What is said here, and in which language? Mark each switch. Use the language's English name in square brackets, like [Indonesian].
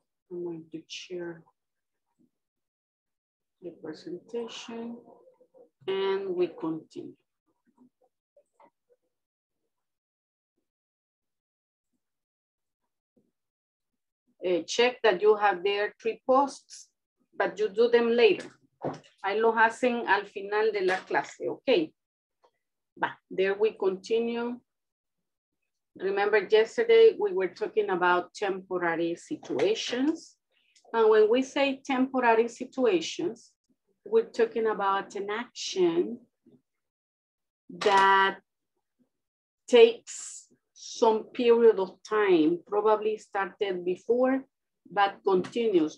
[English] I'm going to share the presentation and we continue. Check that you have their three posts, but you do them later. [Spanish] Ahí lo hacen al final de la clase, okay? [English] But there we continue. Remember yesterday we were talking about temporary situations. And when we say temporary situations, we're talking about an action that takes some period of time, probably started before, but continues.